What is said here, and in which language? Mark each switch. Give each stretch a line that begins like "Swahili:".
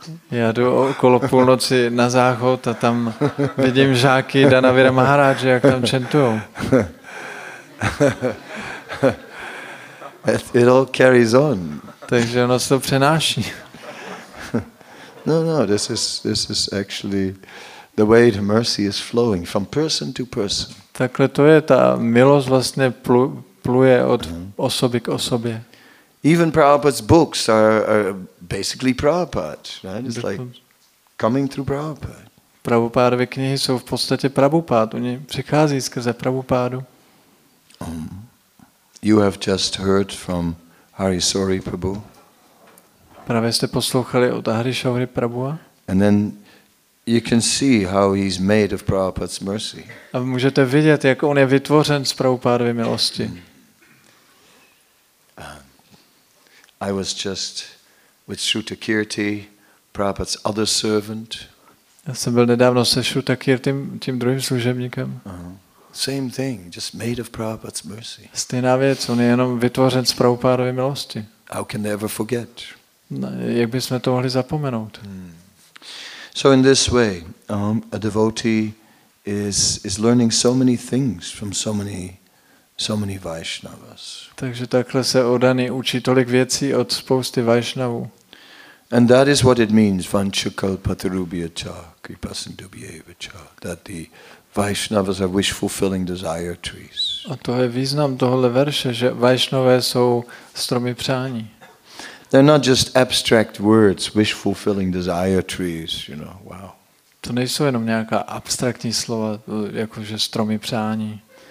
Czech: Já jdu okolo půlnoci na záchod a tam vidím žáky Dhanavira Maharaj, jak tam chantujou.
English: It all carries on.
Czech: Takže ono se to přenáší.
English: No, this is actually the way the mercy is flowing from person to person.
Czech: Takhle to je, ta milost vlastně pluje od osoby k osobě.
English: Even Prabhupada's books are basically Prabhupada, right? It's like coming through Prabhupada.
Czech: Prabhupádovy knihy jsou v podstatě Prabhupád, oni přichází skrze Prabhupádu.
English: You have just heard from Hari Sori Prabhu.
Czech: Právě jste poslouchali od Hari Sori Prabhua.
English: And then you can see how he's made of Prabhupada's mercy.
Czech: A můžete vidět, jak on je vytvořen z Prabhupádovy milosti.
English: I was just with Shruta Kirti, Prabhupada's other servant.
Czech: Já jsem byl nedávno se Shruta Kirtim, tím druhým služebníkem.
English: Same thing, just made of Prabhupada's mercy.
Czech: Stejná věc, on je jenom vytvořen z Prabhupádovy milosti.
English: How can they ever forget?
Czech: Jak bychom to mohli zapomenout?
English: So in this way, a devotee is learning so many things from so many Vaishnavas.
Czech: Takže takhle se oddaný učí tolik věcí od spousty Vaishnavů.
English: And that is what it means,
Sanskrit: vanchakalpatarubhyacha kripasindubhyevacha,
English: that the Vaishnavas are wish-fulfilling desire trees.
Czech: A to je význam tohle verše, že Vaishnavé jsou stromy přání.
English: They're not just abstract words, wish-fulfilling desire trees, you know, wow.
Czech: To nejsou jenom nějaká abstraktní slova, jakože stromy přání.